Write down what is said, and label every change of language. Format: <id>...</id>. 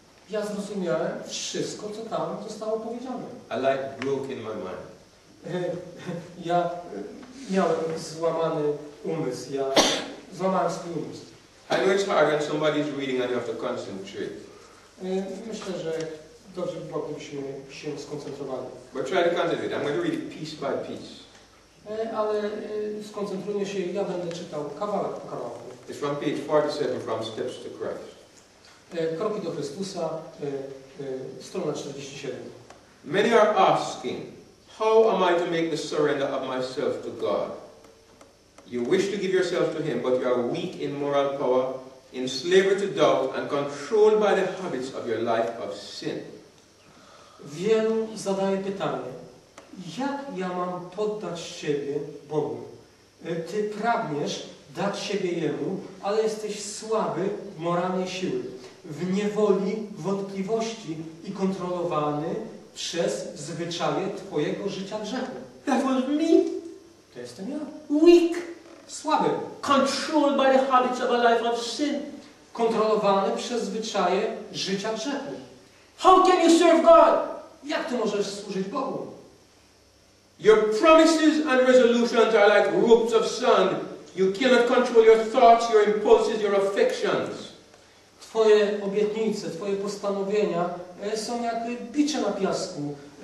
<pl>Ja zrozumiałem wszystko, co tam zostało powiedziane.</pl> <en>I like broke in my mind.</en> <pl>Ja miałem złamany umysł. Ja złamałem swój umysł.</pl> <en>I know it's hard when somebody's reading and you have to concentrate.</en> <pl>Myślę, że dobrze by było, gdybyśmy się skoncentrowali.</pl> <en>But try to concentrate. I'm going to read it piece by piece.</en> <pl>Ale skoncentrujmy się, ja będę czytał kawałek po kawałku.</pl> <en>It's from page 47 from Steps to Christ.</en> <pl>Kroki do Chrystusa, strona 47.</pl> <en>Many are asking, how am I to make the surrender of myself to God? You wish to give yourself to Him, but you are weak in moral power, in slavery to doubt, and controlled by the habits of your life of sin.</en> <pl>Wielu zadaje pytanie, jak ja mam poddać siebie Bogu? Ty pragniesz dać siebie Jemu, ale jesteś słaby w moralnej siły. W niewoli wątpliwości i kontrolowany przez zwyczaje twojego życia grzechu.</pl> <en>That was me.</en> <pl>To jestem ja.</pl> <en>Weak.</en> <pl>Słaby.</pl> <en>Controlled by the habits of a life of sin.</en> <pl>Kontrolowany przez zwyczaje życia grzechu.</pl> <en>How can you serve God?</en> <pl>Jak ty możesz służyć Bogu?</pl> <en>Your promises and resolutions are like ropes of sand. You cannot control your thoughts, your impulses, your affections.</en> <pl>Twoje obietnice, twoje postanowienia są jak bicze na piasku.</pl>